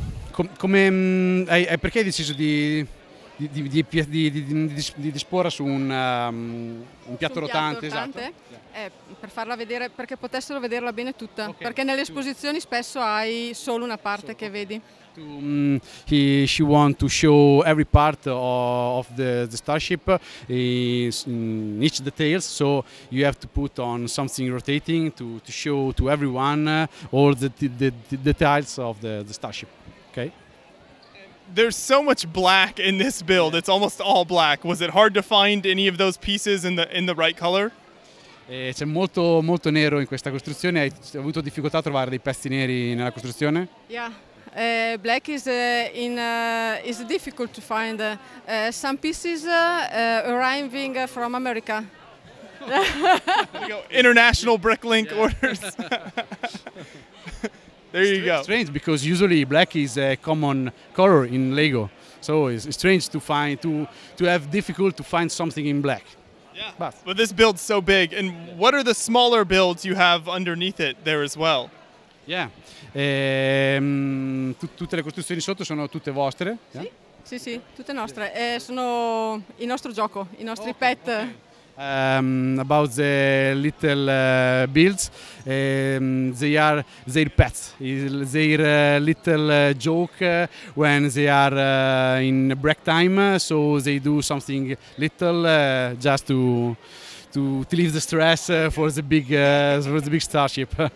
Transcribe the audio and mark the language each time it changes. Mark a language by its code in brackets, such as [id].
[it] Perché hai deciso di disporre su un piatto rotante, esatto. Per farla vedere, perché potessero vederla bene tutta, okay. Perché nelle esposizioni spesso hai solo una parte che vedi. [en] She want to show every part of the starship, in each details, so you have to put on something rotating to show to everyone all the details of the starship, okay? There's so much black in this build. It's almost all black. Was it hard to find any of those pieces in the right color? [it] C'è molto molto nero in questa costruzione. Hai avuto difficoltà a trovare dei pezzi neri nella costruzione? [en] Yeah, black is is difficult to find. Some pieces arriving from America. International Bricklink orders. There you go. It's strange because usually black is a common color in Lego. So it's strange to have difficult to find something in black. Yeah. But this build's so big. And what are the smaller builds you have underneath it there as well? Yeah. [it] Tutte le costruzioni sotto sono tutte vostre? Sì, tutte nostre. Sono il nostro gioco, i nostri pet. [en] about the little builds. They are their pets, their little joke when they are in break time. So they do something little just to leave the stress for the big starship.